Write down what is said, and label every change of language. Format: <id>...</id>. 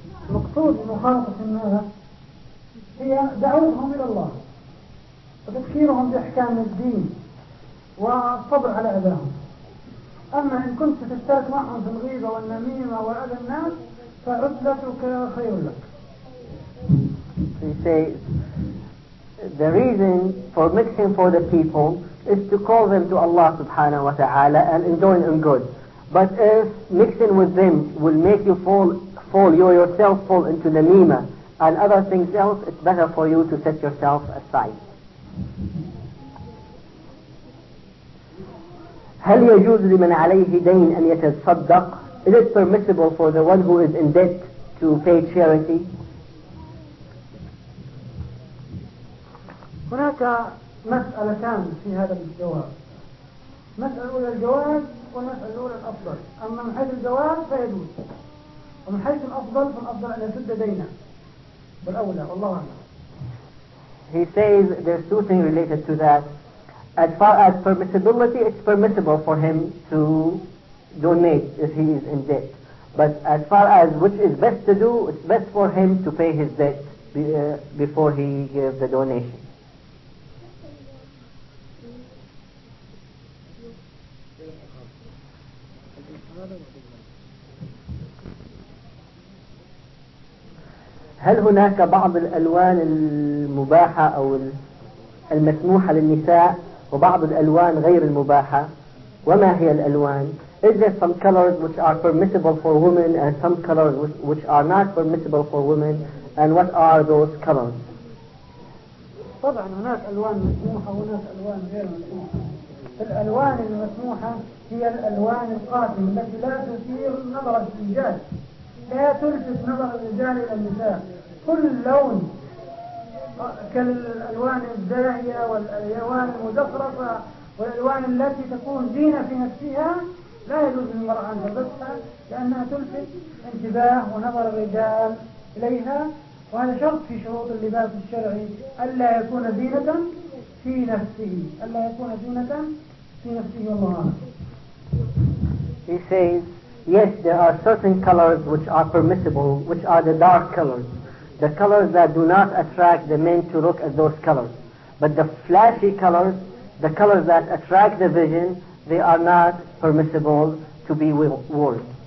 <ar>المقصود بمخالطة الناس هي دعوتهم إلى الله وتذكيرهم بأحكام الدين والصبر على أذاهم. أما إن كنت تشترك معهم في الغيبة والنميمة وأذى الناس فعدلتك خير لك.</ar> <en>The reason for mixing for the people is to call them to Allah subhanahu wa ta'ala and enjoying in good. But if mixing with them will make you yourself fall into namima and other things else, it's better for you to set yourself aside.</en> <ar>هل يجوز لمن عليه دين أن يتصدق?</ar> <en>Is it permissible for the one who is in debt to pay charity?</en> <ar>هناك مسألتان في هذا الجواب, مسألة أولى الجواز ومسألة أولى الأفضل. أما من حيث الجواز فيجوز, ومن حيث الأفضل فالأفضل أن يسد دينا والأولى والله أعلم.</ar> <en>He says there's two things related to that. As far as permissibility, it's permissible for him to donate if he is in debt. But as far as which is best to do, it's best for him to pay his debt before he gives the donation.</en> <ar>هل هناك بعض الألوان المباحة أو المسموحة للنساء وبعض الألوان غير المباحة؟ وما هي الألوان؟</ar> <en>Is there some colors which are permissible for women and some colors which are not permissible for women? And what are those colors?</en> <ar>طبعا هناك ألوان مسموحة وهناك ألوان غير مسموحة. الألوان المسموحة هي الألوان القاتمة التي لا تثير نظر الرجال, لا تلفت نظر الرجال إلى النساء. كل لون كالألوان الزاهية والألوان المزخرفة والألوان التي تكون زينة في نفسها لا يجوز للمرأة أن تلبسها لأنها تلفت انتباه ونظر الرجال إليها, وهذا شرط في شروط اللباس الشرعي ألا يكون زينة في نفسه, ألا يكون زينة في نفسه والله.</ar> <en>He says, yes, there are certain colors which are permissible, which are the dark colors, the colors that do not attract the men to look at those colors. But the flashy colors, the colors that attract the vision, they are not permissible to be worn.</en>